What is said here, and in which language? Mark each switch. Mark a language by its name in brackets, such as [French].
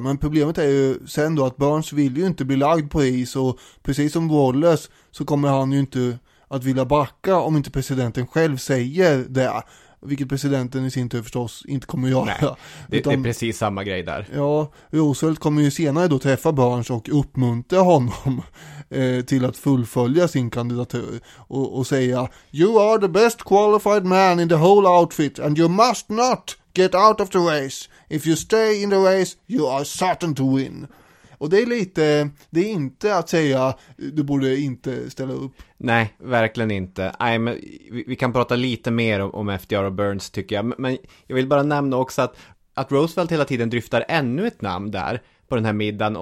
[Swedish] Men problemet är ju sen då att Burns vill ju inte bli lagd på is, och precis som Wallace så kommer han ju inte att vilja backa om inte presidenten själv säger det. Vilket presidenten i sin tur förstås inte kommer att göra. Det är precis samma grej där. Ja, Roosevelt kommer ju senare då träffa Burns och uppmuntra honom till att fullfölja sin kandidatur. Och säga, [English] you are the best qualified man in the whole outfit and you must not get out of the race. If you stay in the race, you are certain to win. [Swedish] Och det är lite, det är inte att säga du borde inte ställa upp. Nej, verkligen inte. Vi kan prata lite mer om FDR och Burns tycker jag. Men jag vill bara nämna också att Roosevelt hela tiden dryftar ännu ett namn där på den här middagen.